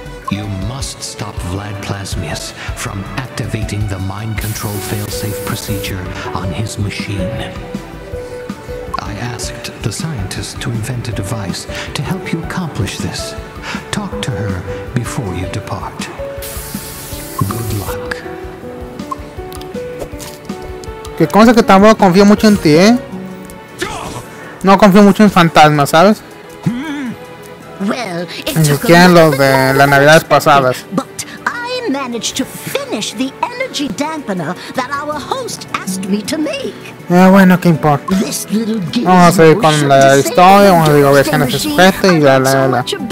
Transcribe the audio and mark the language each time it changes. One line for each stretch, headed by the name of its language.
English: You must stop Vlad Plasmius from activating the mind control failsafe procedure on his machine. I asked the scientist to invent a device to help you accomplish this. Talk to her before you depart. Good luck.
Spanish: Qué cosa que tampoco confío mucho en ti, ¿eh? No confío mucho en fantasmas, ¿sabes?
English: Well, it's
Spanish: quien lo de las navidades pasadas.
English: But I managed to finish the energy dampener that our host asked me to make.
Spanish: Bueno, qué importa. Vamos a seguir con la historia, vamos a seguir obedeciendo a ese sujeto y la.